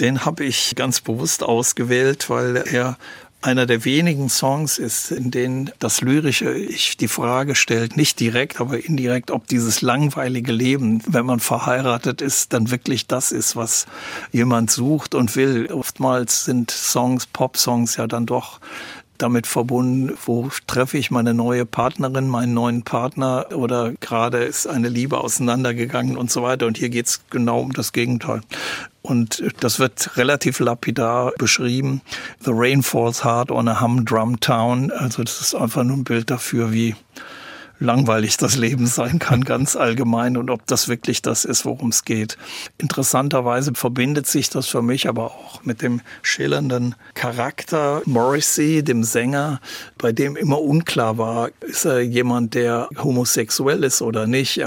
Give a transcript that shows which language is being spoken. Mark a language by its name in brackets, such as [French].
[German] Den habe ich ganz bewusst ausgewählt, weil er einer der wenigen Songs ist, in denen das lyrische Ich die Frage stellt, nicht direkt, aber indirekt, ob dieses langweilige Leben, wenn man verheiratet ist, dann wirklich das ist, was jemand sucht und will. Oftmals sind Songs, Popsongs ja dann doch damit verbunden, wo treffe ich meine neue Partnerin, meinen neuen Partner oder gerade ist eine Liebe auseinandergegangen und so weiter. Und hier geht's genau um das Gegenteil. Und das wird relativ lapidar beschrieben. [English] The rain falls hard on a humdrum town. [German] Also das ist einfach nur ein Bild dafür, wie langweilig das Leben sein kann, ganz allgemein, und ob das wirklich das ist, worum es geht. Interessanterweise verbindet sich das für mich aber auch mit dem schillernden Charakter Morrissey, dem Sänger, bei dem immer unklar war, ist er jemand, der homosexuell ist oder nicht.